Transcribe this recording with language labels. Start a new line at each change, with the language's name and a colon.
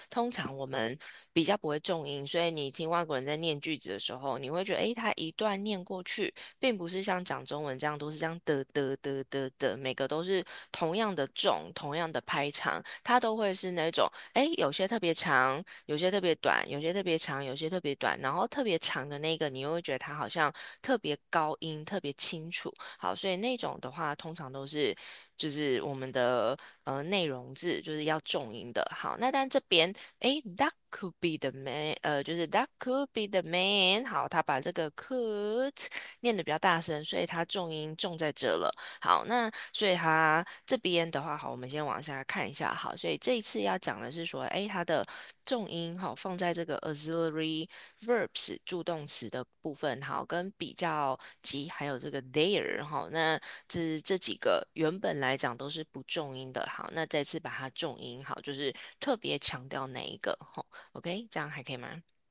Chinese: 通常我们比较不会重音，所以你听外国人在念句子的时候，你会觉得，诶，他一段念过去，并不是像讲中文这样都是这样的的的的的，每个都是同样的重、同样的拍长，它都会是那种，诶，有些特别长，有些特别短，有些特别长。有些特别短，然后特别长的那个，你又会觉得它好像特别高音，特别清楚。好，所以那种的话，通常都是就是我们的内容字，就是要重音的。好，那但这边诶，
English: that could be the man，
Chinese: 就是 that could be the man。好，他把这个 could 念得比较大声，所以他重音重在这了。好，那所以他这边的话，好，我们先往下看一下。好，所以这一次要讲的是说，诶，他的重音好放在这个 auxiliary verbs 助动词的部分，好，跟比较级还有这个 there 好，那这几个原本来讲都是不重音的，好，那再次把它重音好，就是特别强调哪一个好，OK，这样还可以吗？